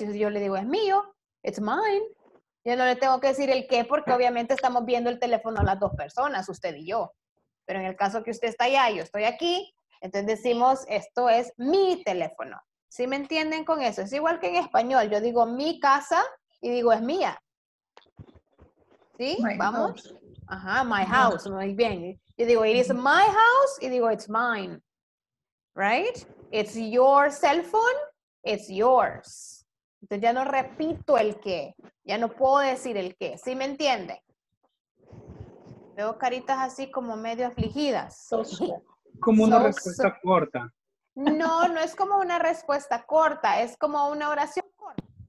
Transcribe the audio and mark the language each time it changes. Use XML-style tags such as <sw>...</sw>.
<es>Y yo le digo, es mío,</es> <en>it's mine.</en> <es>Yo no le tengo que decir el qué, porque obviamente estamos viendo el teléfono a las dos personas, usted y yo. Pero en el caso que usted está allá y yo estoy aquí, entonces decimos, esto es mi teléfono. ¿Sí me entienden con eso? Es igual que en español, yo digo mi casa y digo, es mía. ¿Sí? ¿Vamos? Ajá,</es> <en>my house,</en> <es>muy bien. Yo digo,</es> <en>it is my house</en> <es>y digo,</es> <en>it's mine. Right? It's your cell phone, it's yours.</en> <es>Entonces ya no repito el qué, ya no puedo decir el qué, ¿sí me entiende? Veo caritas así como medio afligidas. Como una respuesta corta. No, no es como una respuesta corta, es como una oración corta.</es>